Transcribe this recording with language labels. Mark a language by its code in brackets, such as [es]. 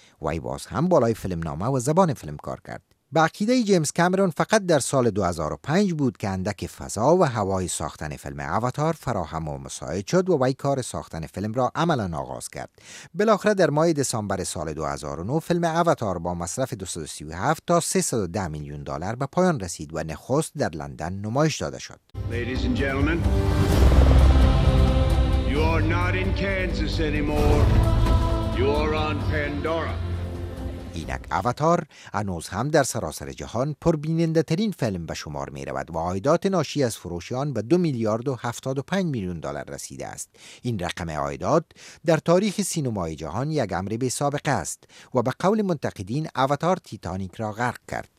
[fa] وی باز هم بالای فیلمنامه و زبان فیلم کار کرد. به عقیده جیمز کامرون فقط در سال 2005 بود که اندک فضا و هوای ساختن فیلم اواتار فراهم و مساعد شد و وی کار ساختن فیلم را عملا آغاز کرد. بالاخره در ماه دسامبر سال 2009 فیلم اواتار با مصرف 237 تا 310 میلیون دلار به پایان رسید و نخست در لندن نمایش داده شد. [en] Ladies and gentlemen, you are not in Kansas anymore. You are on Pandora. [fa] اینک اواتار هنوز هم در سراسر جهان پربیننده ترین فیلم به شمار می رود و عایدات ناشی از فروش آن به 2 میلیارد و 75 میلیون دلار رسیده است. این رقم عایدات در تاریخ سینمای جهان یک امر بی سابقه است و به قول منتقدین اواتار تیتانیک را غرق کرد.